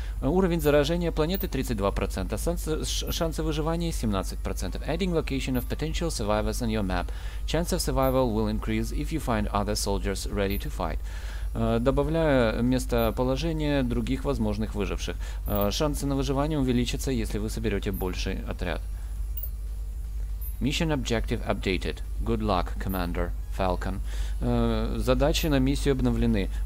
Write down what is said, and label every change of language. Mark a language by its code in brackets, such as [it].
[ru] Уровень заражения планеты 32%. Шансы выживания 17%. [en] Adding location of potential survivors on your map. Chance of survival will increase if you find other soldiers ready to fight. [ru] Добавляю местоположение других возможных выживших. Шансы на выживание увеличатся, если вы соберете больший отряд. [en] Mission objective updated. Good luck, Commander Falcon. [ru] Задачи на миссию обновлены.